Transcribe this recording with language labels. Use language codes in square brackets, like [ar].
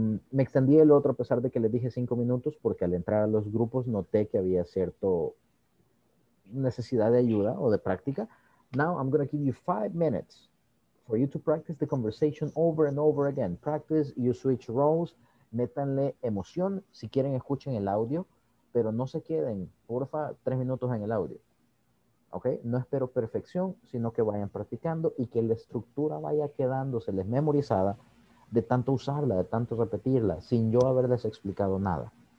[es] Me extendí el otro a pesar de que le dije 5 minutos porque al entrar a los grupos noté que había cierto necesidad de ayuda o de práctica. [en] Now I'm going to give you 5 minutes for you to practice the conversation over and over again. Practice, you switch roles, [es] métanle emoción. Si quieren, escuchen el audio, pero no se queden, porfa, 3 minutos en el audio. Okay? No espero perfección, sino que vayan practicando y que la estructura vaya quedándoseles memorizada de tanto usarla, de tanto repetirla, sin yo haberles explicado nada.